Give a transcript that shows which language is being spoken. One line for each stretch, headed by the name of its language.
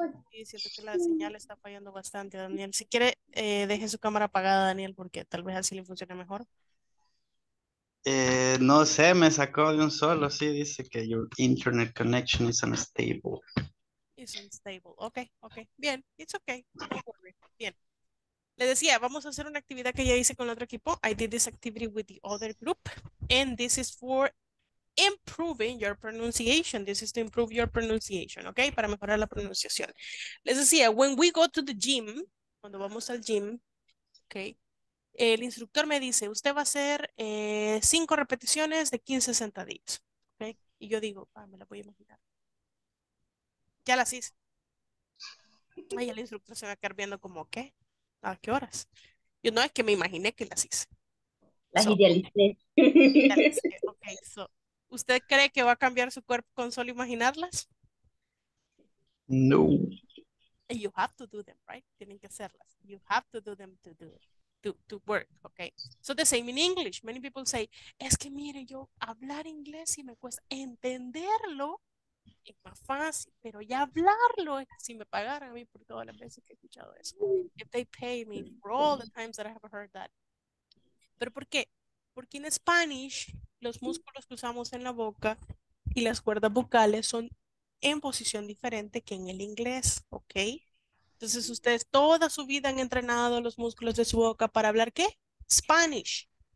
Spanish: Sí, siento que la señal está fallando bastante, Daniel. Si quiere, deje su cámara apagada, Daniel, porque tal vez así le funcione mejor. No sé, me sacó de un solo. Sí, dice que
English: your internet connection is unstable. It's unstable. Ok. Bien, it's ok. No worry. Bien.
Spanish: Le decía, vamos a hacer una actividad que ya hice con el otro equipo.
English: I did this activity with the other group. And this is for improving your pronunciation. This is to improve your pronunciation, ok?
Spanish: Para mejorar la pronunciación. Les decía,
English: when we go to the gym,
Spanish: cuando vamos al gym, ok, el instructor me dice, usted va a hacer 5 repeticiones de 15 sentadillas, ok? Y yo digo, ah, me la voy a imaginar. Ya las hice. Ay, el instructor se va a quedar viendo como, ¿qué? ¿A qué horas? Yo no, es que me imaginé que las hice. Las
English: so,
Spanish: idealicé. Ok, so, ¿usted cree que va a cambiar su cuerpo con solo imaginarlas? No.
English: You have to do them, right?
Spanish: Tienen que hacerlas.
English: You have to do them to do to work, okay? So the same in English.
Spanish: Many people say, es que mire, yo hablar inglés y me cuesta entenderlo es más fácil, pero ya hablarlo, si me pagaran a mí por todas las veces que he escuchado eso.
English: If they pay me for all the times that I have heard that.
Spanish: ¿Pero por qué? Porque en Spanish los músculos que usamos en la boca y las cuerdas vocales son en posición diferente que en el inglés, ¿ok? Entonces ustedes toda su vida han entrenado los músculos de su boca para hablar ¿qué? Spanish.